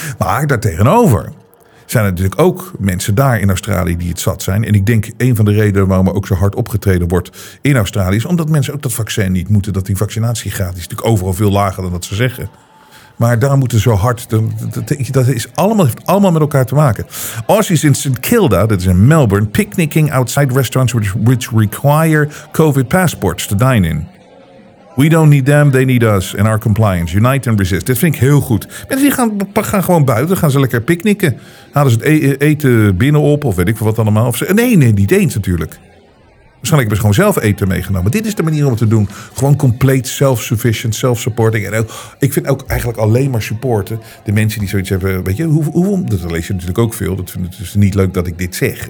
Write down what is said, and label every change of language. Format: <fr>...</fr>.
<nl>Maar daartegenover zijn er natuurlijk ook mensen daar in Australië die het zat zijn. En ik denk een van de redenen waarom er ook zo hard opgetreden wordt in Australië is omdat mensen ook dat vaccin niet moeten. Dat die vaccinatiegraad is natuurlijk overal veel lager dan dat ze zeggen. Maar daar moeten ze zo hard. Dat heeft allemaal met elkaar te maken.</nl> <en>Aussies in St. Kilda, dat is in Melbourne, picnicking outside restaurants which require COVID passports to dine in. We don't need them, they need us and our compliance. Unite and resist.</en> <nl>Dit vind ik heel goed. Mensen die gaan gewoon buiten, gaan ze lekker picknicken. Halen ze het eten binnen op of weet ik wat allemaal. Nee, niet eens natuurlijk. Waarschijnlijk hebben ze gewoon zelf eten meegenomen. Maar dit is de manier om het te doen. Gewoon compleet self-sufficient, self-supporting. En ook, ik vind ook eigenlijk alleen maar supporten. De mensen die zoiets hebben, weet je, dat lees je natuurlijk ook veel. Dat vind ik dus niet leuk dat ik dit zeg.</nl>